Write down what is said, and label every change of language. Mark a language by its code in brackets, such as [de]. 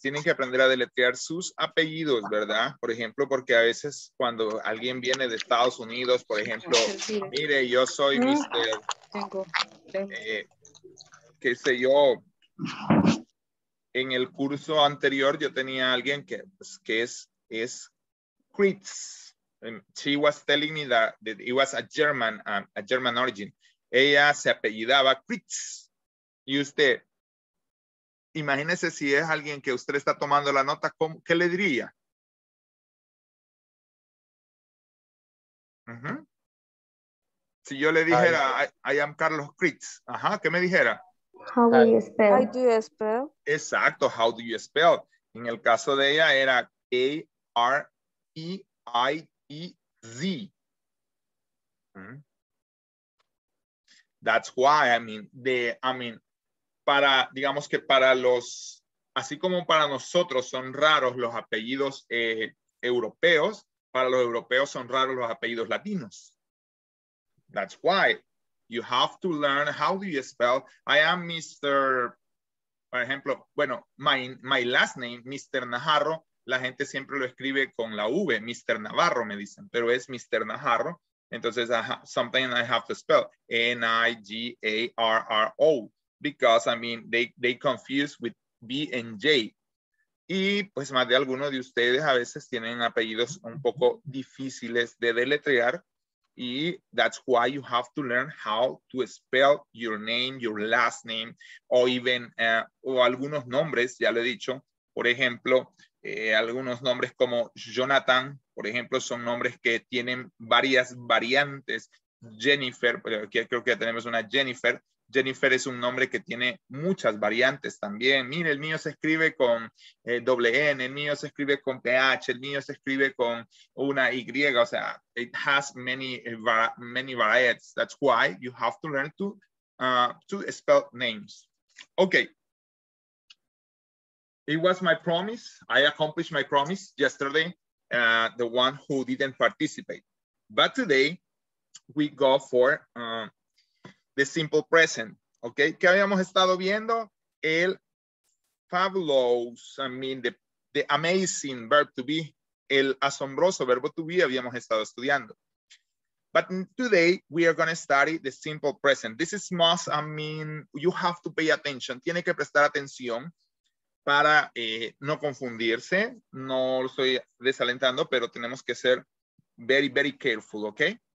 [es] Tienen que aprender a deletrear sus apellidos, ¿verdad? Por ejemplo, porque a veces cuando alguien viene de Estados Unidos, por ejemplo, mire, yo soy Mr. Qué sé yo. En el curso anterior yo tenía alguien que es Kritz. [en] She was telling me that it was a German origin. [es] Ella se apellidaba Kritz. Y usted, imagínese si es alguien que usted está tomando la nota, ¿cómo, qué le diría? Uh-huh. Si yo le dijera, [en] I am Carlos Kritz. [es] Ajá, ¿qué me dijera? [en] How do you spell? [es] Exacto, [en] how do you spell? [es] En el caso de ella era K-R-E-I-E-Z. Mm-hmm. [en] That's why, [es] para, digamos que para los, así como para nosotros son raros los apellidos europeos, para los europeos son raros los apellidos latinos. That's why. [en] You have to learn how do you spell. I am Mr. [es] Por ejemplo, bueno, [en] my last name, Mr. [es] Najarro, la gente siempre lo escribe con la V, Mr. Navarro, me dicen, pero es Mr. Najarro. Entonces, [en] something I have to spell. N-I-G-A-R-R-O. Because, they confuse with B and J. [es] Y, pues, más de algunos de ustedes a veces tienen apellidos un poco difíciles de deletrear. [en] Y that's why you have to learn how to spell your name, your last name, o even, [es] o algunos nombres, ya lo he dicho. Por ejemplo, algunos nombres como Jonathan, por ejemplo, son nombres que tienen varias variantes. Jennifer, pero aquí creo que tenemos una Jennifer. Jennifer es un nombre que tiene muchas variantes también. Mire, el mío se escribe con doble N, el mío se escribe con PH, el mío se escribe con una Y. O sea, [en] it has many varieties. That's why you have to learn to spell names. Okay. It was my promise. I accomplished my promise yesterday, the one who didn't participate. But today, we go for the simple present, okay? [es] ¿Qué habíamos estado viendo? El fabulous, [en] I mean, the amazing verb to be, [es] el asombroso verbo to be habíamos estado estudiando. [en] But today, we are going to study the simple present. This is must, I mean, you have to pay attention. [es] Tiene que prestar atención para no confundirse. No lo estoy desalentando, pero tenemos que ser [en] very, very careful, okay?